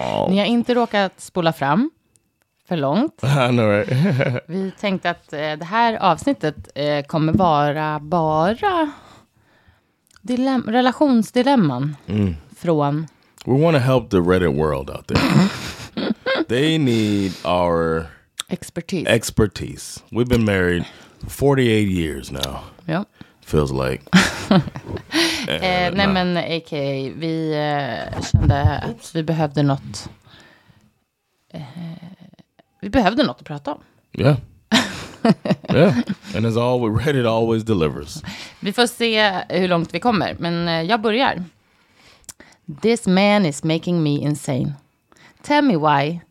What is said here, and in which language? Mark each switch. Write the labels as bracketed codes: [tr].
[sv] Ni har inte råkat spola fram för långt. [en] I know, right? [sv] Vi tänkte att det här avsnittet kommer vara bara relationsdilemman från... [en] We want to help the Reddit world out there. They need our... Expertise. We've been married 48 years now. [sv] Ja. [en] Feels like... [sv] men aka, vi kände att vi behövde något... Vi behövde något att prata om. Ja. Yeah. [en] Yeah, and as always, Reddit always delivers. [sv] Vi får se hur långt vi kommer, men jag börjar. [en] This man is making me insane. Tell me why.